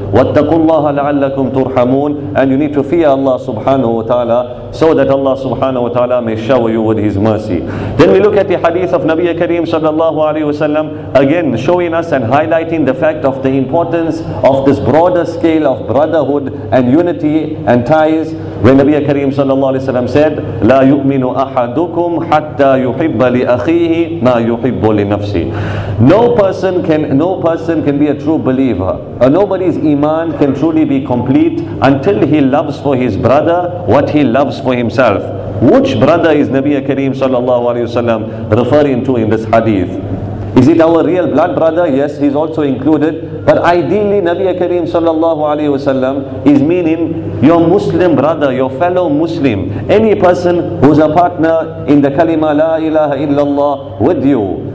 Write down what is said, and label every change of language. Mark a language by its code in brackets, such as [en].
[ar] وَاتَّقُوا اللَّهَ لَعَلَّكُمْ تُرْحَمُونَ. [en] And you need to fear Allah subhanahu wa ta'ala, so that Allah subhanahu wa ta'ala may shower you with His mercy. Then we look at the hadith of Nabi Kareem sallallahu alayhi wa sallam, again showing us and highlighting the fact of the importance of this broader scale of brotherhood and unity and ties. When Nabi Kareem sallallahu alayhi wa sallam said, [ar] لَا يُؤْمِنُ أَحَدُكُمْ حَتَّى يُحِبَّ لِأَخِيهِ مَا يُحِبُّ لِنَفْسِهِ. [en] No person can be a true believer. Nobody's iman can truly be complete until he loves for his brother what he loves for himself. Which brother is Nabi Kareem sallallahu alayhi wa sallam referring to in this hadith? Is it our real blood brother? Yes, he's also included. But ideally, Nabi Kareem sallallahu alayhi wa sallam is meaning your Muslim brother, your fellow Muslim, any person who's a partner in the kalima la ilaha illallah with you.